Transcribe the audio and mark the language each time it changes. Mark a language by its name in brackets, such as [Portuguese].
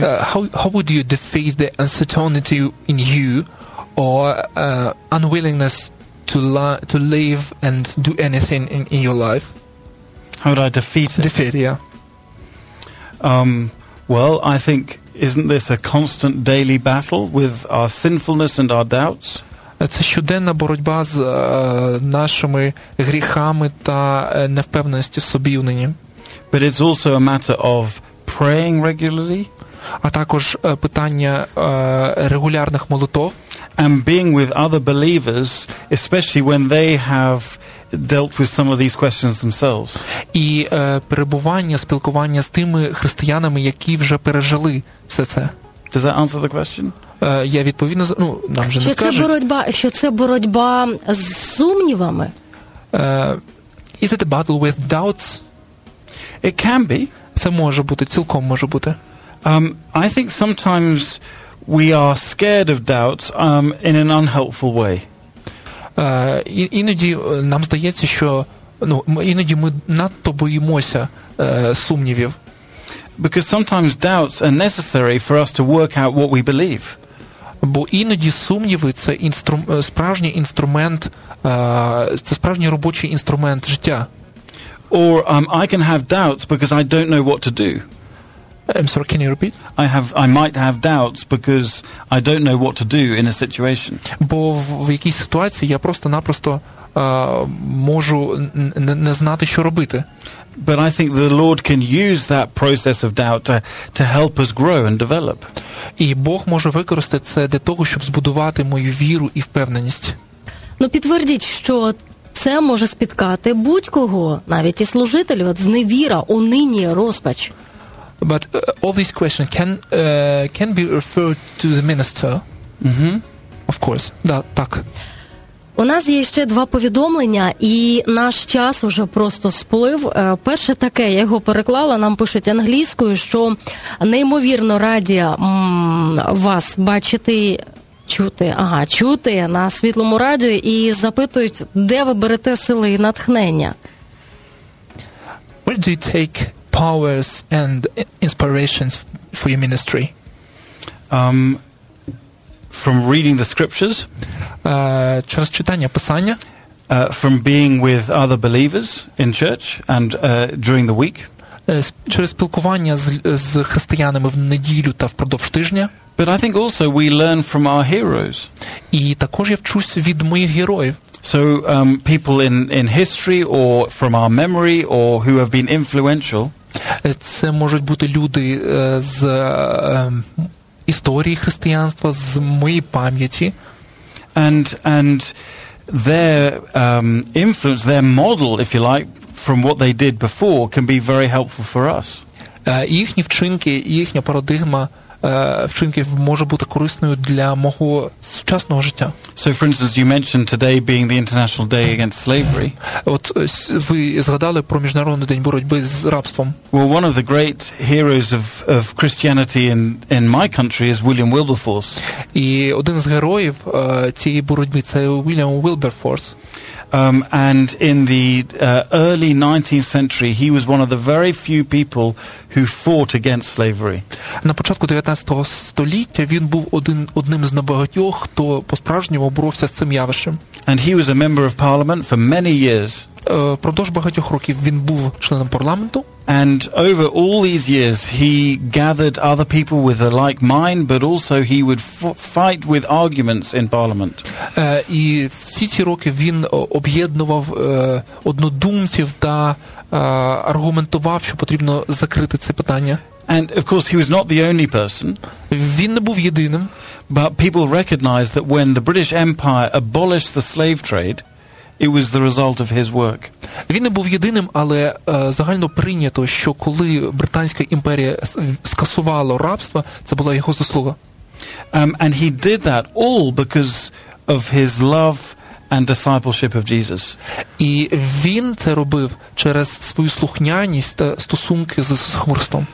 [English] How would you defeat the uncertainty in you or unwillingness to leave and do anything in your life? How would I defeat it? Defeat, yeah. Well, I think, isn't this a constant daily battle with our sinfulness and our doubts? [Ukrainian] Це щоденна боротьба з нашими гріхами та невпевненістю в собі нині. [English] But it's also a matter of praying regularly. [Ukrainian] А також питання регулярних молитов. [English] And being with other believers, especially when they have dealt with some of these questions themselves. [Ukrainian] І перебування, спілкування з тими християнами, які вже пережили все це. [English] Does that answer the question? [Ukrainian] Я відповідно, нам вже що не скажуть. Що це боротьба з сумнівами? [English] Is it a battle with doubts? It can be. [Ukrainian] Це може бути, цілком може бути. [English] I think sometimes we are scared of doubts in an unhelpful way. [Ukrainian] Іноді нам здається, що іноді ми надто боїмося сумнівів. [English] Because sometimes doubts are necessary for us to work out what we believe. [Ukrainian] Бо іноді сумніви це справжній інструмент, це справжній робочий інструмент життя. [English] Or I can have doubts because I don't know what to do. I'm sorry, can you repeat? I might have doubts because I don't know what to do in a situation. [Ukrainian] Бо в якій ситуації я просто-напросто можу не знати, що робити. [English] But I think the Lord can use that process of doubt to help us grow and develop. [Ukrainian] І Бог може використати це для того, щоб збудувати мою віру і впевненість. Ну, підтвердіть, що це може спіткати будь-кого, навіть і служителів, от зневіра, уніння, розпач. [English] But all these questions can be referred to the minister. Mm-hmm. Of course. [Ukrainian] Да, так. У нас є ще два повідомлення, і наш час уже просто сплив. Перше таке, я його переклала, нам пишуть англійською, що неймовірно раді вас бачити, чути. Ага, чути на Світлому радіо, і запитують, де ви берете сили і натхнення? [English] Where do you take powers and inspirations for your ministry? From reading the scriptures, [Ukrainian] Через читання писання, [English] From being with other believers in church and during the week, [Ukrainian] Через спілкування з християнами в неділю та впродовж тижня. [English] But I think also we learn from our heroes. [Ukrainian] І також я вчусь від моїх героїв. [English] So people in history or from our memory or who have been influential. [Ukrainian] Це можуть бути люди з історії християнства, з моєї пам'яті. [English] And their influence, their model, if you like, from what they did before can be very helpful for us. [Ukrainian] Їхні вчинки, їхня парадигма вчинків може бути корисною для мого сучасного життя. [English] So, for instance, you mentioned today being the International Day Against Slavery. [Ukrainian] От ви згадали про Міжнародний день боротьби з рабством. [English] Well, one of the great heroes of Christianity in my country is William Wilberforce. [Ukrainian] І один з героїв цієї боротьби – це William Wilberforce. [English] And in the early 19th century, he was one of the very few people who fought against slavery. [Ukrainian] На початку 19 століття він був одним з небагатьох, хто по-справжньому боровся з цим явищем. [English] And he was a member of parliament for many years. [Ukrainian] Протягом багатьох років він був членом парламенту. [English] And over all these years, he gathered other people with a like mind, but also he would fight with arguments in parliament. [Ukrainian] І всі ці роки він об'єднував однодумців та аргументував, що потрібно закрити це питання. [English] And of course he was not the only person. [Ukrainian] Він не був єдиним. [English] But people recognized that when the British Empire abolished the slave trade, it was the result of his work. [Ukrainian] Він не був єдиним, але загально прийнято, що коли Британська імперія скасувала рабство, це була його заслуга. [English] And he did that all because of his love and discipleship of Jesus. [Ukrainian] І він це робив через свою слухняність та стосунки з Ісусом Христом.